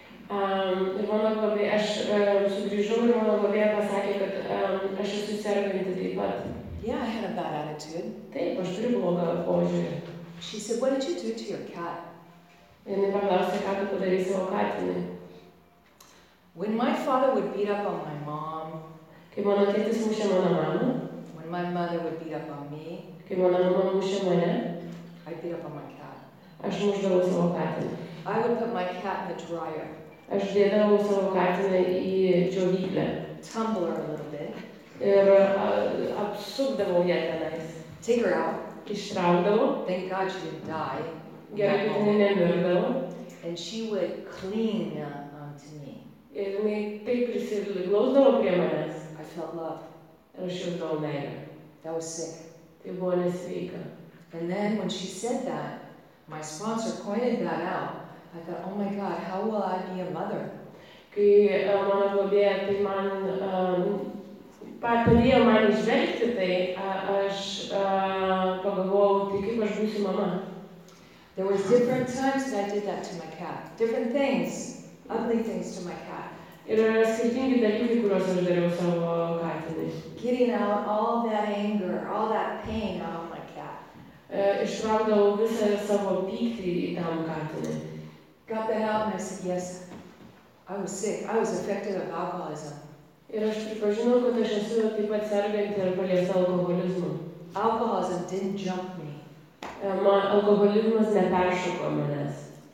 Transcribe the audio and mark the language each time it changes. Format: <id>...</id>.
<lt>Ir mano globėja, aš sugrįžau ir mano globėja pasakė, kad aš esu serganti taip pat.</lt> <en>Yeah, I had a bad attitude.</en> <lt>Taip, aš turiu blogą požiūrį.</lt> <en>She said, what did you do to your cat?</en> <lt>Jis paklausė, ką tu padarei savo katinui.</lt> <en>When my father would beat up on my mom,</en> <lt>kai mano tėtis mušė mano mamą,</lt> <en>when my mother would beat up on me,</en> <lt>kai mano mama mušė mane,</lt> <en>I'd beat up on my cat.</en> <lt>Aš mušdavau savo katiną.</lt> <en>I would put my cat in the dryer.</en> <lt>Aš dėdavau savo katiną į džiovyklę.</lt> <en>Tumble her a little bit.</en> <lt>Ir apsukdavau ją tenais.</lt> <en>Take her out.</en> <lt>Ištraukdavau.</lt> <en>Thank God she didn't die.</en> <lt>Gerai, kad jinai nemirdavo.</lt> <en>And she would cling to me.</en> <lt>Ir jinai taip prisiglausdavo prie manęs.</lt> <en>I felt love.</en> <lt>Ir aš jausdavau meilę.</lt> <en>That was sick.</en> <lt>Tai buvo nesveika.</lt> <en>And then when she said that, my sponsor pointed that out. I thought, oh my God, how will I be a mother?</en> <lt>Kai mano globėja tai man padėjo man išvengti tai, aš pagalvojau, tai kaip aš būsiu mama.</lt> <en>There was different times that I did that to my cat. Different things, ugly things to my cat.</en> <lt>Ir skirtingi dalykai, kuriuos aš dariau savo katinui.</lt> <en>Getting out all that anger, all that pain out of my cat.</en> <lt>Ištraukdavau visą savo pyktį į tam katinui.</lt> <en>Got that out and I said, yes, I was sick. I was affected by alcoholism.</en> <lt>Ir aš pripažinau, kad aš esu taip pat serganti ir paliesta alkoholizmu.</lt> <en>Alcoholism didn't jump me.</en> <lt>Man alkoholizmas neperšoko manęs.</lt>